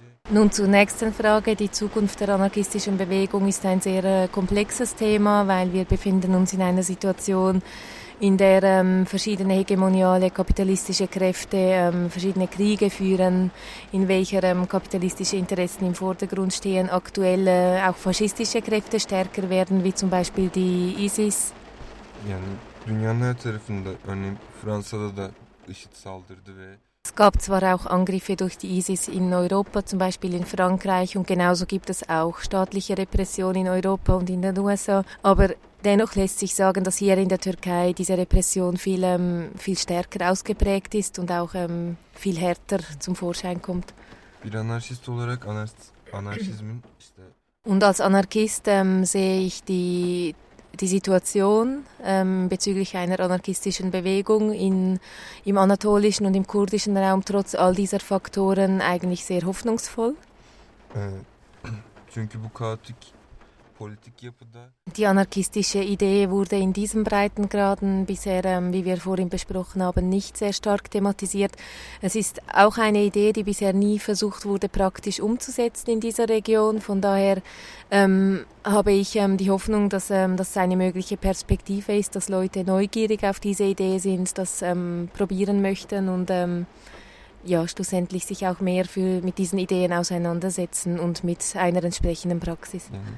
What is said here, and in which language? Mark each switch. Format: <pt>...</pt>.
<de>Nun zur nächsten Frage. Die Zukunft der anarchistischen Bewegung ist ein sehr komplexes Thema, weil wir befinden uns in einer Situation, in der verschiedene hegemoniale kapitalistische Kräfte verschiedene Kriege führen, in welcher kapitalistische Interessen im Vordergrund stehen, aktuell auch faschistische Kräfte stärker werden, wie zum Beispiel die ISIS.</de> <tr>Yani dünyanın her tarafında, örneğin Fransa'da da IŞİD saldırdı ve</tr> <de>es gab zwar auch Angriffe durch die ISIS in Europa, zum Beispiel in Frankreich, und genauso gibt es auch staatliche Repressionen in Europa und in den USA, aber dennoch lässt sich sagen, dass hier in der Türkei diese Repression viel, viel stärker ausgeprägt ist und auch viel härter zum Vorschein kommt.</de> <tr>Bir anarşist olarak anarşizmin işte.</tr> <de>Und als Anarchist sehe ich die die Situation bezüglich einer anarchistischen Bewegung im anatolischen und im kurdischen Raum trotz all dieser Faktoren eigentlich sehr hoffnungsvoll?</de> <tr>Çünkü bu kaotik politik yapıda...</tr> <de>Die anarchistische Idee wurde in diesen Breitengraden bisher, wie wir vorhin besprochen haben, nicht sehr stark thematisiert. Es ist auch eine Idee, die bisher nie versucht wurde, praktisch umzusetzen in dieser Region. Von daher habe ich die Hoffnung, dass das eine mögliche Perspektive ist, dass Leute neugierig auf diese Idee sind, das probieren möchten und ja, schlussendlich sich auch mehr mit diesen Ideen auseinandersetzen und mit einer entsprechenden Praxis.</de>